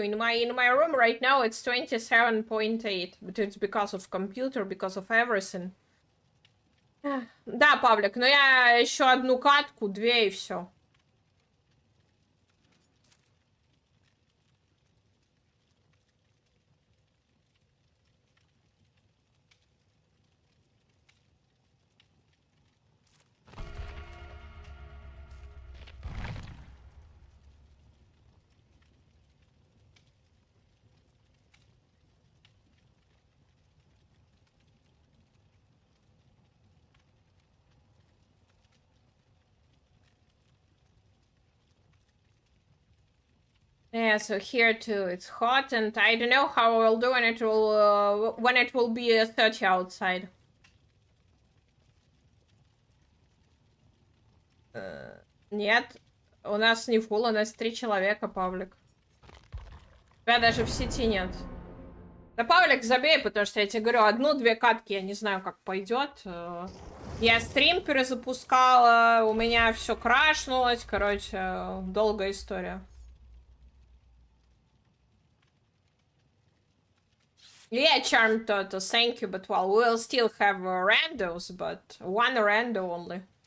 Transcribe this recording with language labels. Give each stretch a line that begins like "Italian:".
English: In my room right now, it's 27.8, but it's because of computer, because of everything.
Russian: Да, Павлик, но я еще одну катку, две и все.
English: Yeah, so here too, it's hot, and I don't know how I'll do when it will be 30 outside.
Russian: Нет, у нас не фул, у нас три человека, Павлик. Тебя даже в сети нет. Да, Павлик, забей, потому что я тебе говорю, одну-две катки, я не знаю, как пойдет. Я стрим перезапускала, у меня все крашнулось, короче, долгая история.
English: Yeah, Charm Toto, thank you, but well, we'll still have randos, but one rando only.